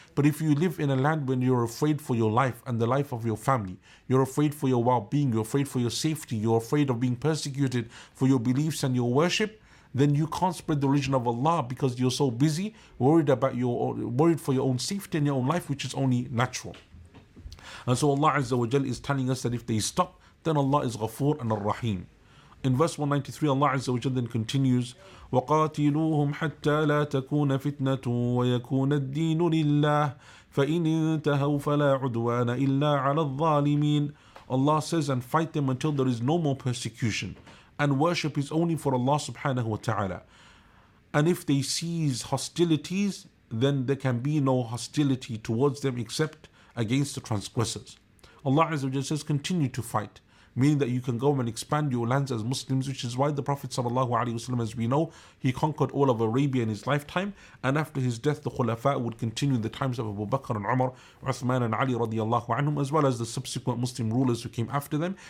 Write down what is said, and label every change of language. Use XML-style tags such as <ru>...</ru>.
<en>But if you live in a land when you're afraid for your life and the life of your family, you're afraid for your well-being, you're afraid for your safety, you're afraid of being persecuted for your beliefs and your worship, then you can't spread the religion of Allah because you're so busy, worried for your own safety and your own life, which is only natural. And so Allah Azza wa Jal is telling us that if they stop, then Allah is Ghafoor and Ar-Rahim. In verse 193, Allah Azza wa Jalla then continues,</en> <ar>وَقَاتِلُوهُمْ حَتَّى لَا تَكُونَ فِتْنَةٌ وَيَكُونَ الدِّينُ لِلَّهِ فَإِنِ انْتَهَوْا فَلَا عُدْوَانَ إِلَّا عَلَى الظَّالِمِينَ.</ar> <en>Allah says, and fight them until there is no more persecution, and worship is only for Allah subhanahu wa ta'ala. And if they cease hostilities, then there can be no hostility towards them except against the transgressors. Allah Azza wa Jalla says, continue to fight. Meaning that you can go and expand your lands as Muslims, which is why the Prophet sallallahu alaihi wasallam, as we know, he conquered all of Arabia in his lifetime, and after his death, the Khulafa would continue the times of Abu Bakr and Umar, Uthman and Ali radiallahu anhum, as well as the subsequent Muslim rulers who came after them.</en>